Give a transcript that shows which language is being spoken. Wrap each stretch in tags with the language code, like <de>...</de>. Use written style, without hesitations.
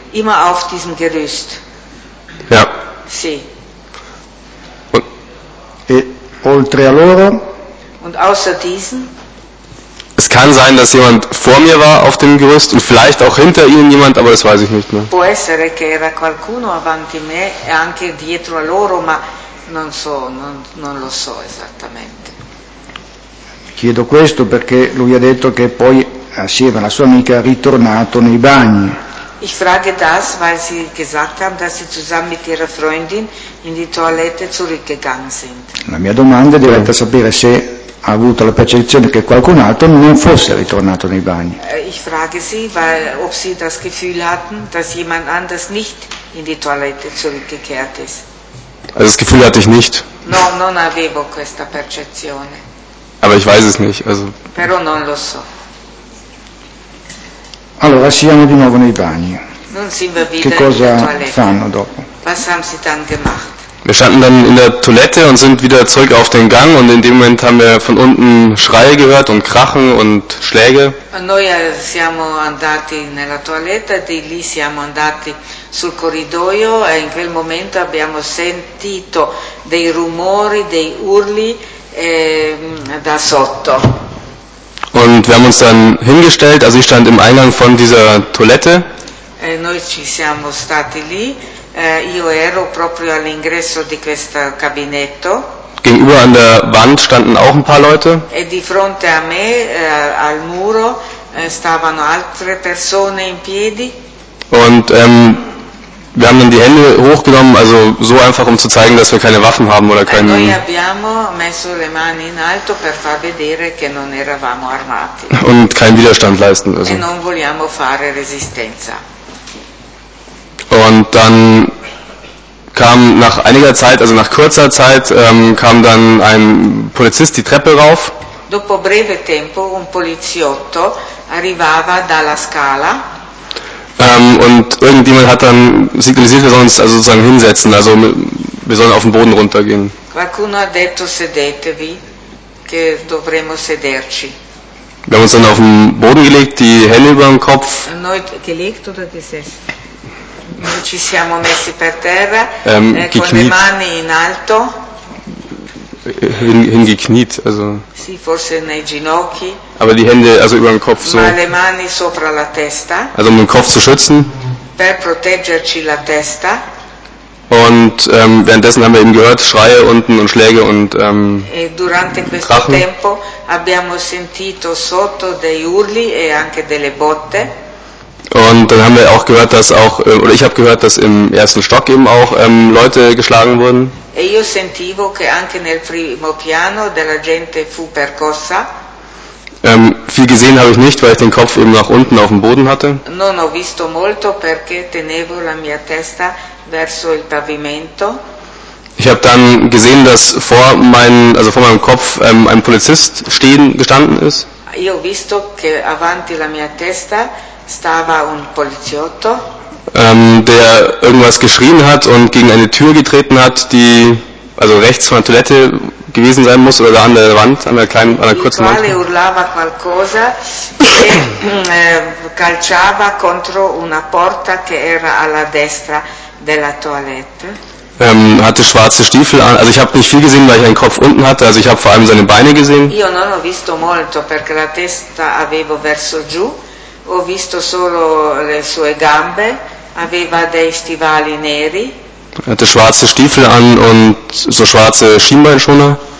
<de>Immer auf diesem Gerüst. Ja.</de> <it>Sì. E oltre a loro?</it> <de>Und außer diesen? Es kann sein, dass jemand vor mir war auf dem Gerüst und vielleicht auch hinter ihnen jemand, aber das weiß ich nicht mehr.</de> <it>Può essere che era qualcuno avanti me e anche dietro a loro, ma non so, non lo so esattamente. Chiedo questo perché lui ha detto che poi assieme alla sua amica è ritornato nei bagni.</it> <de>Ich frage das, weil sie gesagt haben, dass sie zusammen mit ihrer Freundin in die Toilette zurückgegangen sind.</de> <it>La mia domanda diventa sapere se ha avuto la percezione che qualcun altro non fosse ritornato nei bagni.</it> <de>Ich frage sie, weil ob sie das Gefühl hatten, dass jemand anders nicht in die Toilette zurückgekehrt ist. Also das Gefühl hatte ich nicht.</de> <it>No, non avevo questa percezione.</it> <de>Aber ich weiß es nicht, also.</de> <it>Però non lo so. Allora siamo di nuovo nei bagni.</it> <de>Nun sind wir wieder</de> <it>che cosa</it> <de>in der Toilette.</de> <it>Fanno dopo?</it> <de>Was haben sie dann gemacht? Wir standen dann in der Toilette und sind wieder zurück auf den Gang und in dem Moment haben wir von unten Schreie gehört und Krachen und Schläge.</de> <it>Noi siamo andati nella toilette, di lì siamo andati sul corridoio e in quel momento abbiamo sentito dei rumori, dei urli da sotto.</it> <de>Und wir haben uns dann hingestellt, also ich stand im Eingang von dieser Toilette.</de> <it>Noi ci siamo stati lì. Io ero proprio all'ingresso di questo gabinetto.</it> <de>Gegenüber an der Wand standen auch ein paar Leute.</de> <it>E di fronte a me, al muro, stavano altre persone in piedi.</it> <de>Und wir haben dann die Hände hochgenommen, also so einfach, um zu zeigen, dass wir keine Waffen haben oder keinen.</de> <it>Noi abbiamo messo le mani in alto per far vedere che non eravamo armati.</it> <de>Und keinen Widerstand leisten. Also.</de> <it>E non vogliamo fare resistenza.</it> <de>Und dann kam nach einiger Zeit, also nach kurzer Zeit, kam dann ein Polizist die Treppe rauf.</de> <it>Dopo breve tempo un poliziotto arrivava dalla scala.</it> <de>Und irgendjemand hat dann signalisiert, wir sollen uns also sozusagen hinsetzen, also wir sollen auf den Boden runtergehen.</de> <it>Qualcuno ha detto sedetevi, che dovremmo sederci.</it> <de>Wir haben uns dann auf den Boden gelegt, die Hände über den Kopf.</de> <it>Noi</it> <de>gelegt oder gesessen?</de> <it>Noi ci siamo messi per terra con le mani in alto.</it> <de>Hingekniet, also.</de> <it>Sì, forse nei ginocchi.</it> <de>Aber die Hände also über den Kopf so.</de> <it>Ma le mani sopra la testa.</it> <de>Also um den Kopf zu schützen.</de> <it>Per proteggerci la testa.</it> <de>Und währenddessen haben wir eben gehört Schreie unten und Schläge und</de> <it>e durante questo</it> <de>Krachen.</de> <it>Tempo abbiamo sentito sotto dei urli e anche delle botte.</it> <de>Und dann haben wir auch gehört, dass auch, oder ich habe gehört, dass im ersten Stock eben auch Leute geschlagen wurden.</de> <it>E io sentivo che anche nel primo piano della gente fu percossa.</it> <de>Viel gesehen habe ich nicht, weil ich den Kopf eben nach unten auf dem Boden hatte.</de> <it>Non ho visto molto perché tenevo la mia testa verso il pavimento.</it> <de>Ich habe dann gesehen, dass vor meinem Kopf ein Polizist gestanden ist.</de> <it>Io ho visto che avanti la mia testa stava un poliziotto,</it> <de>der irgendwas geschrien hat und gegen eine Tür getreten hat, die also rechts von der Toilette gewesen sein muss oder da an der Wand, an der kleinen, an der kurzen Wand.</de> <it>Il quale urlava qualcosa e calciava contro una porta che era alla destra della toilette.</it> <de>Hatte schwarze Stiefel an, also ich habe nicht viel gesehen, weil ich einen Kopf unten hatte, also ich habe vor allem seine Beine gesehen.</de> <it>Io non ho visto molto perché la testa avevo verso giù. Ho visto solo le sue gambe, aveva dei stivali neri.</it> <de>Er hatte schwarze Stiefel an und so schwarze Schienbeinschoner.</de>